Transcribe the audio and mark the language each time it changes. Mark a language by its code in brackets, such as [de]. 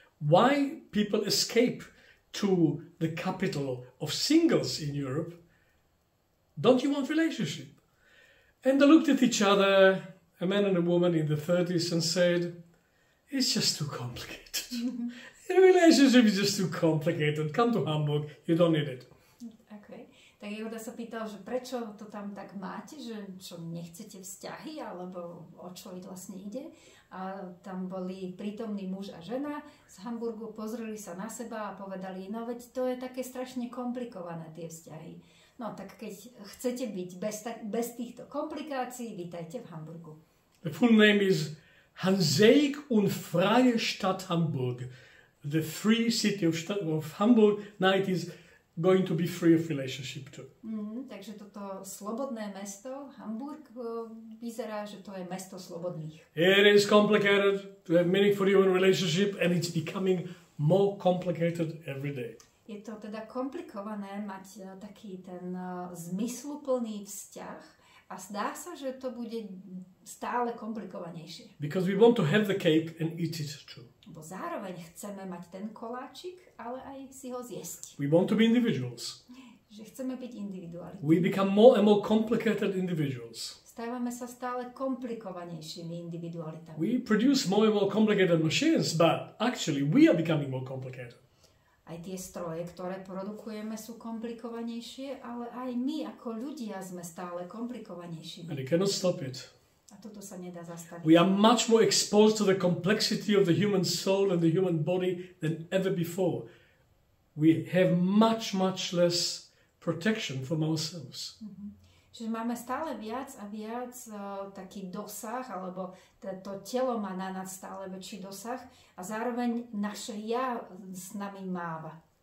[en] Why people escape to the capital of singles in Europe? Don't you want relationship? And they looked at each other, a man and a woman in the 30s, and said, it's just too complicated. A relationship is just too complicated. Come to Hamburg, you don't need it. Okay. [sk] Tak Jehuda sa pýtal, že prečo to tam tak máte, že čo nechcete vzťahy, alebo o čo vy vlastne ide. A tam boli prítomný muž a žena z Hamburgu, pozreli sa na seba a povedali, no veď to je také strašne komplikované, tie vzťahy. No tak keď chcete byť bez týchto komplikácií, vítajte v Hamburgu. [en] The full name is Hanseig und Freie Stadt Hamburg. The free city of Hamburg, now it is going to be free of relationship too. [sk] Takže toto slobodné mesto, Hamburg, vyzerá, že to je mesto slobodných. [en] It is complicated to have meaningful human relationship, and it's becoming more complicated every day. [sk] Je to teda komplikované mať taký ten zmysluplný vzťah a zdá sa, že to bude stále komplikovanejšie. [en] Because we want to have the cake and eat it too. [sk] Bo zároveň chceme mať ten koláčik, ale aj si ho zjesť. [en] We want to be individuals. [sk] Že chceme byť individuálni. [en] We become more and more complicated individuals. [sk] Stávame sa stále komplikovanejšími individualitami. [en] We produce more and more complicated machines, but actually we are becoming more complicated. [sk] Aj tie stroje, ktoré produkujeme, sú komplikovanejšie, ale aj my ako ľudia sme stále komplikovanejšími. [en] And you cannot stop it. [sk] A toto sa nedá zastaviť. [en] We are much more exposed to the complexity of the human soul and the human body than ever before. We have much, much less protection from ourselves. [sk] Čiže máme stále viac a viac taký dosah, alebo to telo má na nás stále väčší dosah a zároveň naše ja s nami máva.